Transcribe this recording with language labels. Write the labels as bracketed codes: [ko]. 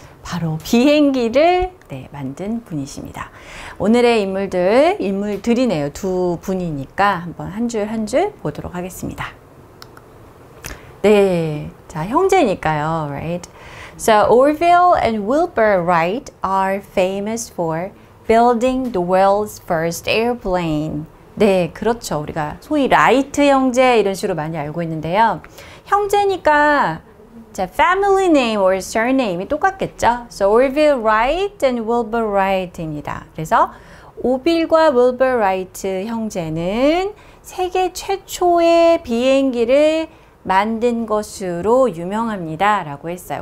[ko] 바로 비행기를 만든 분이십니다. 오늘의 인물들이네요. 두 분이니까 한번 한 줄 한 줄 보도록 하겠습니다. 네, 자, 형제니까요, right? [en] So Orville and Wilbur Wright are famous for building the world's first airplane. [ko] 네, 그렇죠. 우리가 소위 라이트 형제 이런 식으로 많이 알고 있는데요. 형제니까 자, [en] family name or surname [ko] 이 똑같겠죠. So Orville Wright and Wilbur Wright입니다. 그래서 오빌과 Wilbur Wright 형제는 세계 최초의 비행기를 만든 것으로 유명합니다 라고 했어요.